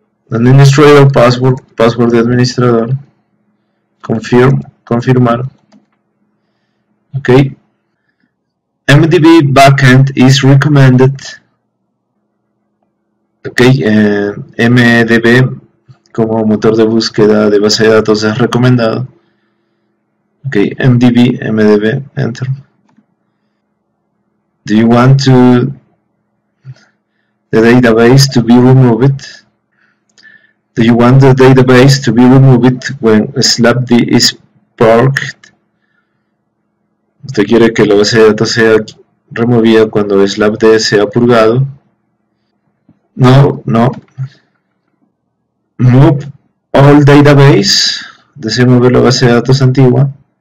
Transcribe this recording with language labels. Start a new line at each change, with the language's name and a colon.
English: Administrator password, password de administrador. Confirm, confirmar. Ok. MDB backend is recommended. Ok.
Spanish: MDB como motor de búsqueda de base de datos es recomendado.
English: Ok. MDB, MDB, enter. Do you want to the database to be removed? Do you want the database to be removed when slapd is parked?
Spanish: ¿Usted quiere que la base de datos sea removida cuando slapd sea purgado?
English: No, no. Move all database.
Spanish: Desea mover la base de datos antigua.